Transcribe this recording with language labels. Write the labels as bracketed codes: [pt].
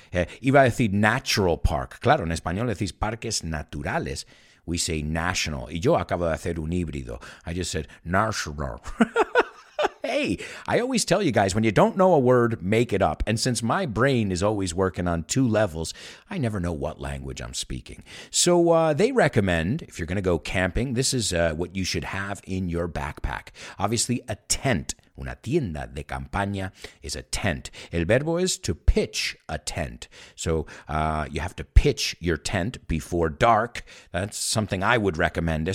[es] Iba a decir natural park. Claro, en español decís parques naturales. [en] We say national. [es] Y yo acabo de hacer un híbrido. [en] I just said national. Hey, I always tell you guys, when you don't know a word, make it up. And since my brain is always working on two levels, I never know what language I'm speaking. So they recommend, if you're going to go camping, this is what you should have in your backpack. Obviously, a tent. [es] Una tienda de campaña [en] is a tent. [es] El verbo [en] is to pitch a tent. So you have to pitch your tent before dark. That's something I would recommend.